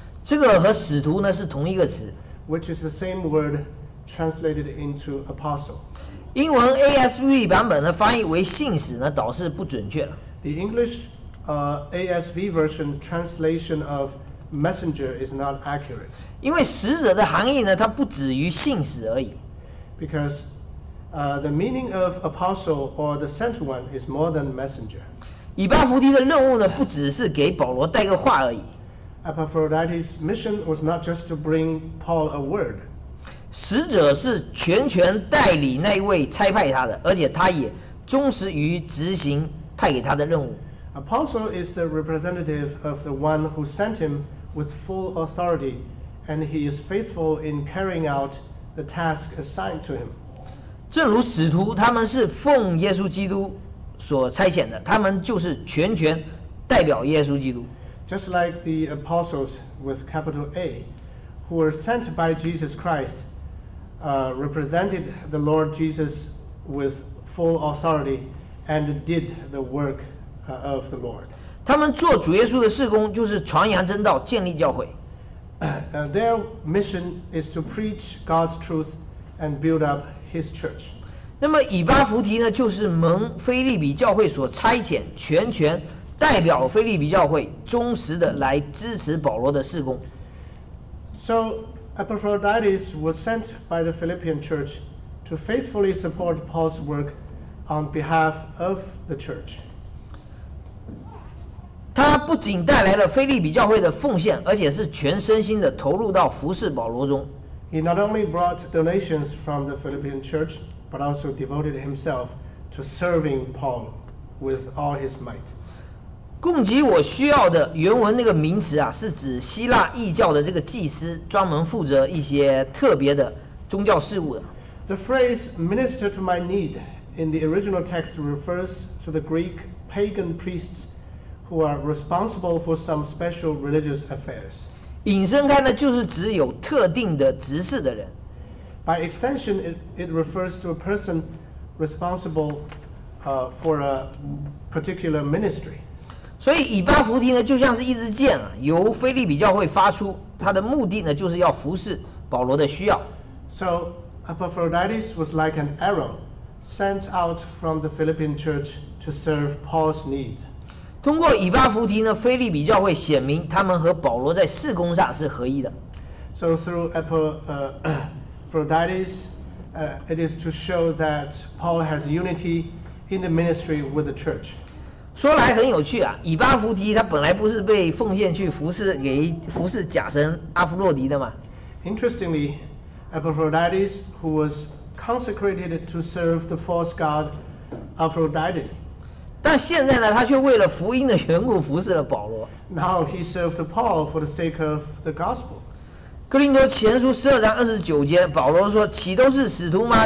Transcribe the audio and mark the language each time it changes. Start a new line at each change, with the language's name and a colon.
Chinese: 这个和使徒呢是同一个词。
English: Which is the same word translated into apostle.
Chinese: 英文 ASV 版本呢翻译为信使呢倒是不准确了。
English: The English ASV version translation ofMessenger is not accurate.
Chinese: 因为使者的含义呢，它不止于信使而已。
English: because the meaning of apostle or the sent one is more than messenger.
Chinese: 以巴弗提的任务呢，不只是给保罗带个话而已。
English: Epaphroditus' mission was not just to bring Paul a word.
Chinese: 使者是全权代理那位差派他的，而且他也忠实于执行派给他的任务。
English: Apostle is the representative of the one who sent him with full authority, and he is faithful in carrying out the task assigned to him.
Chinese: 正如使徒，他们是奉耶稣基督所差遣的，他们就是全权代表耶稣基督。
English: Just like the apostles with capital A, who were sent by Jesus Christ, represented the Lord Jesus with full authority and did the work of the Lord.
Chinese: 他们做主耶稣的事工就是传扬真道，建立教会。
English: Their mission is to preach God's truth and build up His church.
Chinese: 那么以巴弗提呢，就是蒙腓立比教会所差遣，全权代表腓立比教会忠实的来支持保罗的事工。
English: So Epaphroditus was sent by the Philippian church to faithfully support Paul's work on behalf of the church.
Chinese: 他不仅带来了腓立比教会的奉献，而且是全身心的投入到服侍保罗中。
English: He not only brought donations from the Philippian church but also devoted himself to serving Paul with all his might.
Chinese: 供给我需要的原文那个名词啊，是指希腊异教的这个祭司，专门负责一些特别的宗教事务的。
English: The phrase "minister to my need" in the original text refers to the Greek pagan priests who are responsible for some special religious affairs.
Chinese: 引申开呢，就是指有特定的职事的人。
English: By extension, it refers to a person responsible for a particular ministry.
Chinese: 所以以巴弗提呢，就像是一支箭啊，由腓立比教会发出，他的目的呢，就是要服侍保罗的需要。
English: So Epaphroditus was like an arrow sent out from the Philippian church to serve Paul's need.
Chinese: 通过以巴弗提呢，腓立比教会显明他们和保罗在事工上是合一的。
English: So through Epaphroditus, it is to show that Paul has unity in the ministry with the church.
Chinese: 说来很有趣啊，以巴弗提他本来不是被奉献去服侍假神阿弗洛狄的吗？
English: Interestingly, Epaphroditus, who was consecrated to serve the false god Aphrodite,
Chinese: 但现在呢，他却为了福音的缘故服侍了保罗。
English: Now he served Paul for the sake of the gospel.
Chinese: 哥林多前书十二章二十九节，保罗说：“岂都是使徒吗？